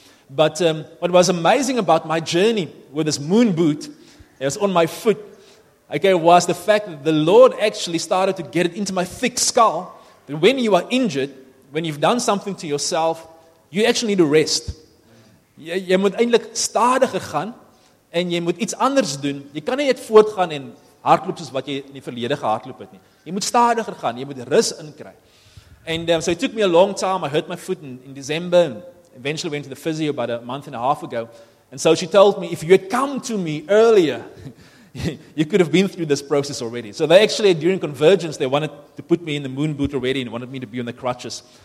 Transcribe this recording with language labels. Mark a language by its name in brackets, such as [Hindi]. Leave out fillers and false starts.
[English] But what was amazing about my journey with this moon boot, it was on my foot, okay, was the fact that the Lord actually started to get it into my thick skull, that when you are injured, when you've done something to yourself, you actually need to rest. [Afrikaans] Jy moet eintlik stadiger gaan, en jy moet iets anders doen. Jy kan nie net voortgaan en hardloop soos wat jy in die verlede gehardloop het nie. Jy moet stadiger gaan, jy moet rus inkry. [English] And so it took me a long time. I hurt my foot in December, and eventually went to the physio about a month and a half ago. And so she told me, if you had come to me earlier, you could have been through this process already. So they actually, during convergence, they wanted to put me in the moon boot already and wanted me to be on the crutches.